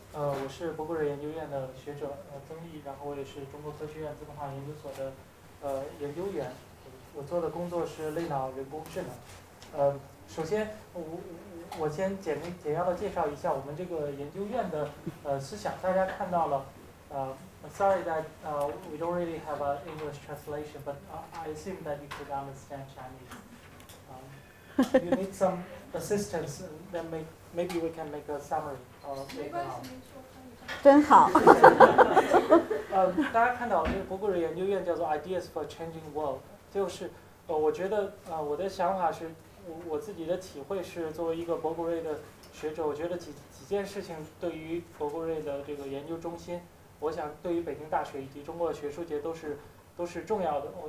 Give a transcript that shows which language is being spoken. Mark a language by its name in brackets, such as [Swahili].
[Chinese] 我是博古热研究院的学者曾毅，然后我也是中国科学院资本化研究所的研究员。我做的工作是类脑人工智能。首先我先简要的介绍一下我们这个研究院的思想。大家看到了 [English] sorry that we don't really have an English translation, but I assume that you could understand Chinese. You need some assistance, then maybe we can make a summary. [Chinese] 没关系，没错，真好。大家看到这个博古热研究院叫做 Ideas for Changing World， 就是我觉得我的想法是，我自己的体会是，作为一个博古热的学者，我觉得几件事情对于博古热的这个研究中心，我想对于北京大学以及中国的学术界都是重要的。